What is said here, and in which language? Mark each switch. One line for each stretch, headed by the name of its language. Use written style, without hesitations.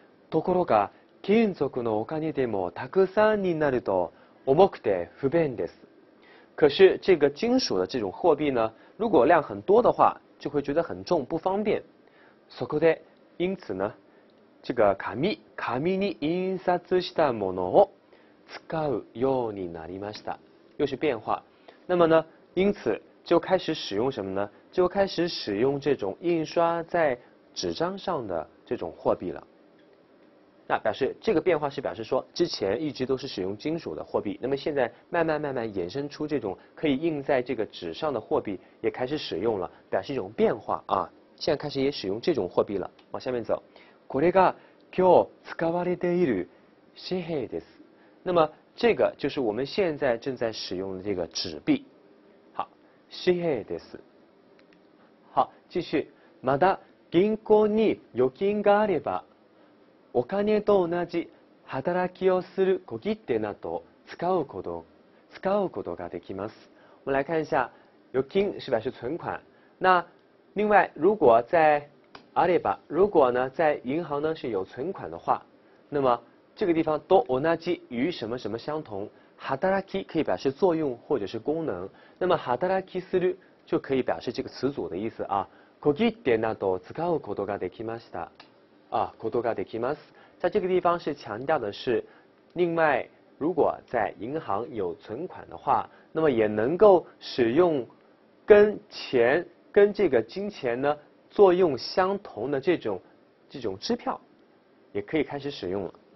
Japanese: ところが金属のお金でもたくさんになると重くて不便です。
Chinese: 可是这个金属的这种货币呢，如果量很多的话就会觉得很重不方便。
Japanese: そこで
Chinese: 因此呢，这个
Japanese: 紙に印刷したものを使うようになりました。
Chinese: 又是变化。那么呢，因此就开始使用什么呢？就开始使用这种印刷在纸张上的这种货币了。那表示这个变化是表示说之前一直都是使用金属的货币，那么现在慢慢衍生出这种可以印在这个纸上的货币也开始使用了，表示一种变化啊，现在开始也使用这种货币了。往下面走，
Japanese: これが今日使われている紙幣です。
Chinese: 那么这个就是我们现在正在使用的这个纸币。好，
Japanese: 紙幣です。
Chinese: 好，继续。
Japanese: まだ銀行に預金があれば、お金と同じ働きをする小切手など使うことができます。
Chinese: 我们来看一下，預金是吧？是存款。那另外，如果在阿里巴，如果呢在银行呢是有存款的话，那么这个地方都同じ与什么什么相同，働き可以表示作用或者是功能，那么働きする就可以表示这个词组的意思啊。
Japanese: 小切手など使うことができました。啊，ことができます。
Chinese: 在这个地方是强调的是，另外如果在银行有存款的话，那么也能够使用跟钱跟这个金钱呢作用相同的这种支票，也可以开始使用了。